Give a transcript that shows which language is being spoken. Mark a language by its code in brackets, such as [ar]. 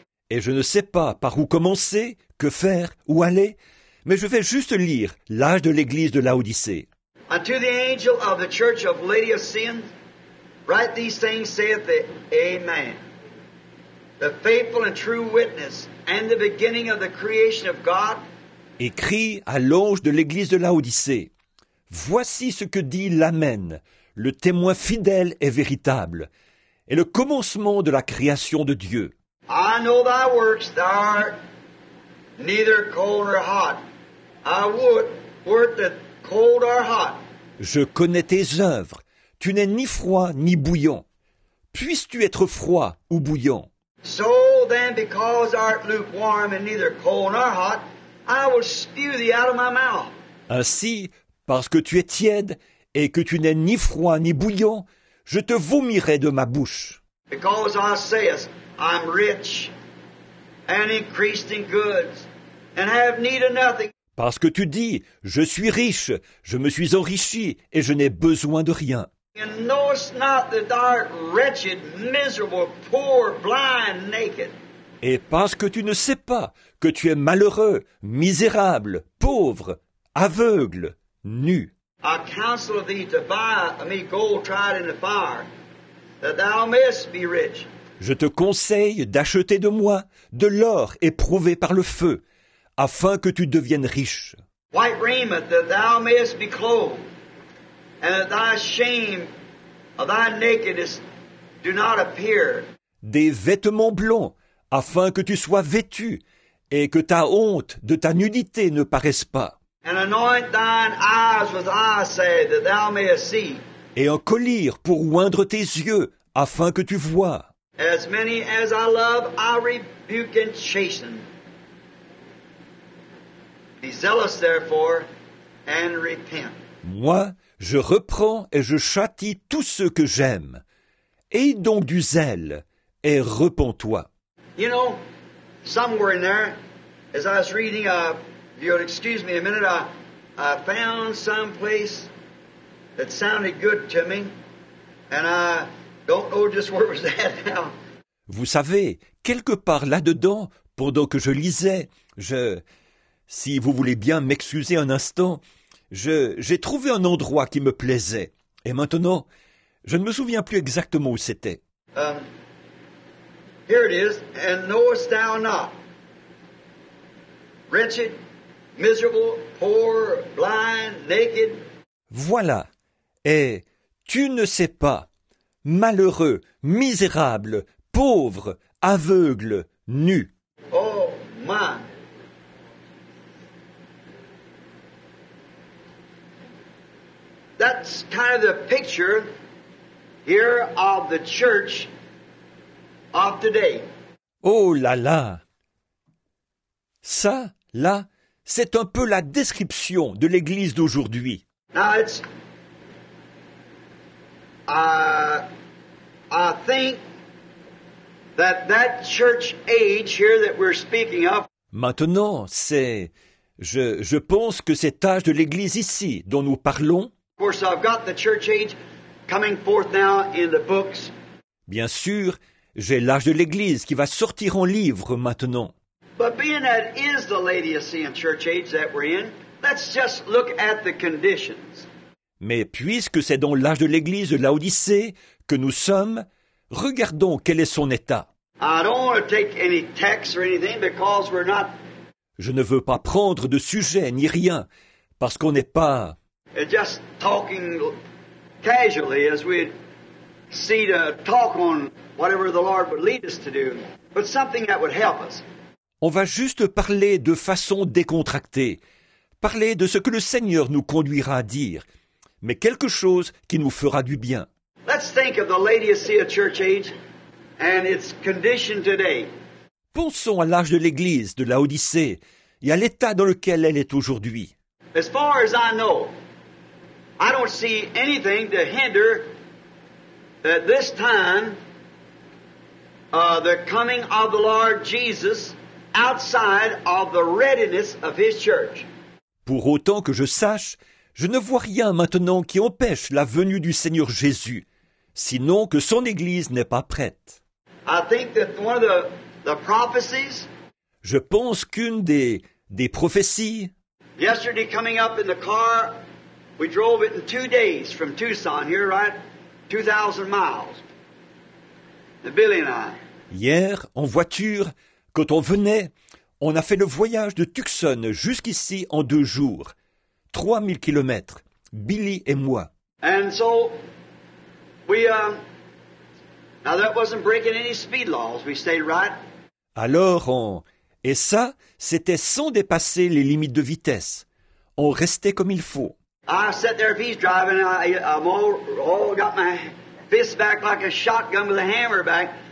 [fr] Et je ne sais pas par où commencer, que faire, où aller, mais je vais juste lire l'âge de l'église de Laodicée. [en] Unto the angel of the church of Laodicea, write these things, saith the Amen, the faithful and true witness, and the beginning of the creation of God. [fr] Écrit à l'ange de l'église de Laodicée. Voici ce que dit l'Amen, le témoin fidèle et véritable, est le commencement de la création de Dieu. [en] I know thy works, thou art neither cold nor hot. I would, wert thou cold or hot. [fr] Je connais tes œuvres. Tu n'es ni froid ni bouillant. Puisses-tu être froid ou bouillant? [en] So then, because thou art lukewarm and neither cold nor hot, I will spew thee out of my mouth. [fr] Ainsi, parce que tu es tiède et que tu n'es ni froid ni bouillant, je te vomirai de ma bouche. [en] Because thou sayest, I'm rich and increased in goods and have need of nothing. [fr] Parce que tu dis, je suis riche, je me suis enrichi et je n'ai besoin de rien. [en] And knowest not that thou art wretched, miserable, poor, blind, naked. [fr] Et parce que tu ne sais pas que tu es malheureux, misérable, pauvre, aveugle, nu. [en] I counsel thee to buy me gold tried in the fire, that thou mayest be rich. [fr] Je te conseille d'acheter de moi de l'or éprouvé par le feu, afin que tu deviennes riche. [en] White raiment, that thou mayest be clothed, and that thy shame of thy nakedness do not appear. [fr] Des vêtements blonds, afin que tu sois vêtu, et que ta honte de ta nudité ne paraisse pas. [en] And anoint thine eyes with eye salve, that thou mayest see. [fr] Et un collyre pour oindre tes yeux, afin que tu voies. [en] As many as I love, I rebuke and chasten. Be zealous, therefore, and repent. [fr] Moi, je reprends et je châtie tous ceux que j'aime. Aie donc du zèle et repens-toi. [en] You know, somewhere in there, as I was reading, if you'll excuse me a minute, I found some place that sounded good to me, and I don't know just where was that now. [fr] Vous savez, quelque part là-dedans, pendant que je lisais, si vous voulez bien m'excuser un instant, j'ai trouvé un endroit qui me plaisait. Et maintenant, je ne me souviens plus exactement où c'était. [en] Here it is, and knowest thou not, wretched, miserable, poor, blind, naked. [fr] Voilà, et tu ne sais pas, malheureux, misérable, pauvre, aveugle, nu. [en] Oh, my. That's kind of the picture here of the church. Of today. [fr] Oh là là! Ça, là, c'est un peu la description de l'Église d'aujourd'hui. [en] Now it's, I think that church age here that we're speaking of. [fr] Maintenant, c'est, je pense que cet âge de l'Église ici dont nous parlons. [en] Of course, I've got the church age coming forth now in the books. [fr] Bien sûr. J'ai l'âge de l'Église qui va sortir en livre maintenant. [en] But being that is the Laodicean church age that we're in, let's just look at the conditions. [fr] Mais puisque c'est dans l'âge de l'Église de Laodicée que nous sommes, regardons quel est son état. [en] I don't want to take any text or anything because we're not. [fr] Je ne veux pas prendre de sujet ni rien parce qu'on n'est pas. [en] Just talking casually as we see to talk on. Whatever the Lord would lead us to do, but something that would help us. [fr] On va juste parler de façon décontractée, parler de ce que le Seigneur nous conduira à dire, mais quelque chose qui nous fera du bien. [en] Let's think of the Laodicea church age and its condition today. [fr] Pensons à l'âge de l'Église de Laodicée et à l'état dans lequel elle est aujourd'hui. [en] As far as I know, I don't see anything to hinder that this time. The coming of the Lord Jesus outside of the readiness of his church. [fr] Pour autant que je sache, je ne vois rien maintenant qui empêche la venue du Seigneur Jésus, sinon que son Église n'est pas prête. [en] I think that one of the prophecies. [fr] Je pense qu'une des prophéties. [en] Yesterday coming up in the car, we drove it in 2 days from Tucson, here right, 2,000 miles. Billy and I. [fr] Hier, en voiture, quand on venait, on a fait le voyage de Tucson jusqu'ici en 2 jours. 3 000 kilomètres, Billy et moi. [en] And so, Now that wasn't breaking any speed laws. We stayed right. [fr] Alors, on... Et ça, c'était sans dépasser les limites de vitesse. On restait comme il faut. [en] I sat there if he's driving. I got my fist back like a shotgun with a hammer back.